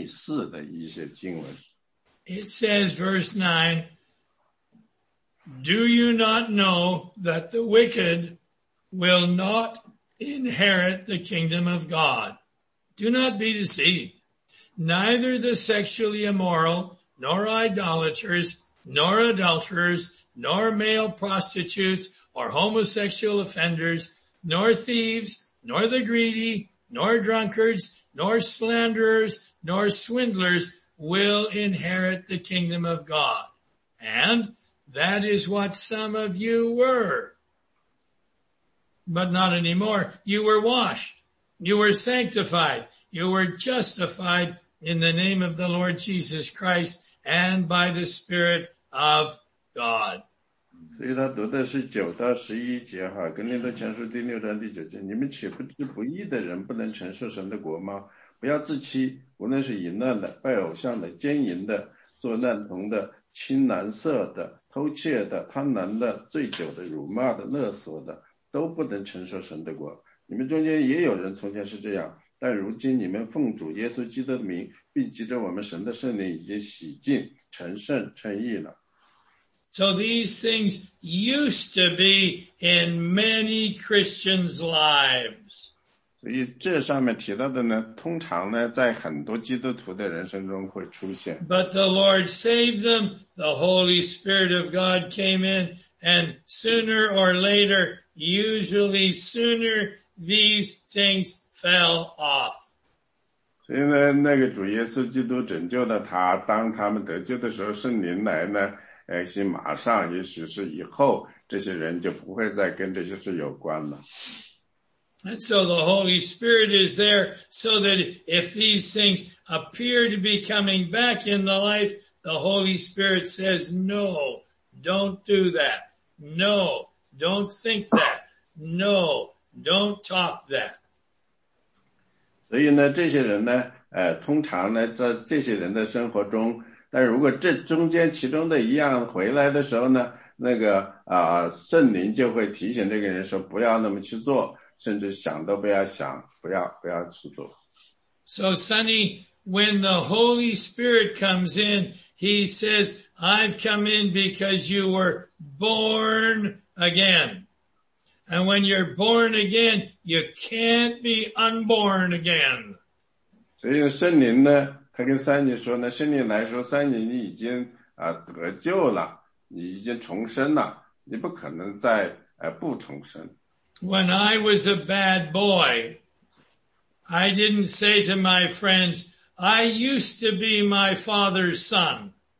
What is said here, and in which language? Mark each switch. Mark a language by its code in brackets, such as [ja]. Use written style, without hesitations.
[zh] 所以呢，他说《格林多前书》第六章第九节，这是跟那个我们读到的《以弗所书》或者是《加拉太书》里非常类似的一些经文。 [en] It says verse 9, Do you not know that the wicked will not inherit the kingdom of God? Do not be deceived. Neither the sexually immoral, nor idolaters, nor adulterers, nor male prostitutes, or homosexual offenders, nor thieves, nor the greedy, nor drunkards, nor slanderers, nor swindlers will inherit the kingdom of God. And that is what some of you were. But not anymore. You were washed. You were sanctified. You were justified in the name of the Lord Jesus Christ and by the Spirit of God. [zh] 所以他读的是九到十一节哈，《格林多前书》第六章第九节，你们岂不知不义的人不能承受神的国吗？不要自欺，无论是淫乱的、拜偶像的、奸淫的、做难童的、青蓝色的、偷窃的、贪婪的、醉酒的、辱骂的、勒索的，都不能承受神的国。你们中间也有人从前是这样，但如今你们奉主耶稣基督的名，并藉着我们神的圣灵已经洗净、成圣、称义了。 [en] So these things used to be in many Christians' lives. [zh] 所以这上面提到的呢，通常呢，在很多基督徒的人生中会出现。 [en] But the Lord saved them, the Holy Spirit of God came in, and sooner or later, usually sooner, these things fell off. [zh] 所以呢，那个主耶稣基督拯救了他，当他们得救的时候，圣灵来呢，哎，马上，也许是以后，这些人就不会再跟这些事有关了。 [en] And so the Holy Spirit is there so that if these things appear to be coming back in the life, the Holy Spirit says, no, don't do that. No, don't think that. No, don't talk that. [zh] 所以呢，这些人呢，通常呢，在这些人的生活中，但如果这中间其中的一样回来的时候呢，那个圣灵就会提醒这个人说不要那么去做，甚至想都不要想，不要去做。 [en] So Sonny, when the Holy Spirit comes in, he says, I've come in because you were born again. And when you're born again, you can't be unborn again. [zh] 所以圣灵呢，他跟三年说呢，圣灵来说，三年你已经得救了，你已经重生了，你不可能再不重生。 [en] When I was a bad boy, I didn't say to my friends, I used to be my father's son.